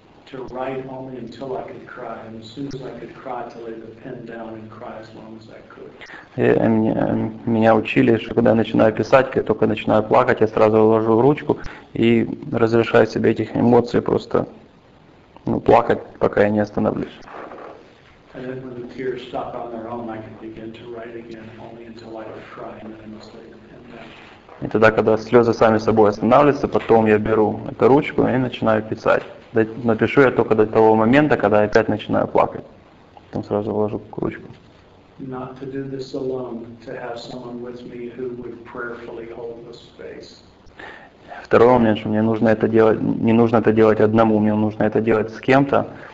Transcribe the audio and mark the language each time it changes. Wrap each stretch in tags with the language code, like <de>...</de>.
<en>To write only until I could cry, and as soon as I could cry, to lay the pen down and cry as long as I could.</en> <ru>Меня учили, что когда я начинаю писать, когда только начинаю плакать, я сразу ложу ручку и разрешаю себе этих эмоций просто плакать, пока я не остановлюсь.</ru> <en>And then when the tears stop on their own, I can begin to write again only until I could cry, and then I must lay the pen down.</en> <ru>И тогда, когда слезы сами собой останавливаются, потом я беру эту ручку и начинаю писать. Напишу я только до того момента, когда я опять начинаю плакать. Потом сразу вложу ручку. Второе мнение, что мне нужно это делать одному, мне нужно это делать с кем-то.</ru>